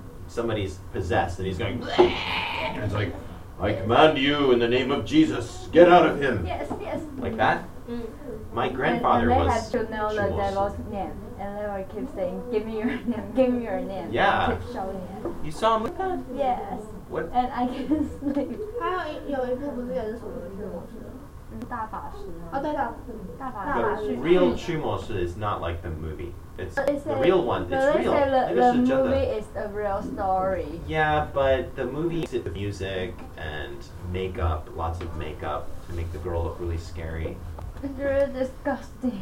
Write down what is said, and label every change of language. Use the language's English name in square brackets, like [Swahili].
[English] somebody's possessed, and he's going, and it's like, I command you in the name of Jesus, get out of him. Yes, yes. Like that? My grandfather and was. And they have to know the devil's name. And they will keep saying, give me your name, give me your name. Yeah. Keep showing it. You saw him like that? Yes. What? And I can sleep. [Chinese] 还有有一部不是也是什么驱魔师？大法师哦，对的，大法师。 [English] The real 驱魔师 is not like the movie. It's the real one. It's real. The movie is a real story. Yeah, but the movie is the music and makeup, lots of makeup to make the girl look really scary. It's really disgusting.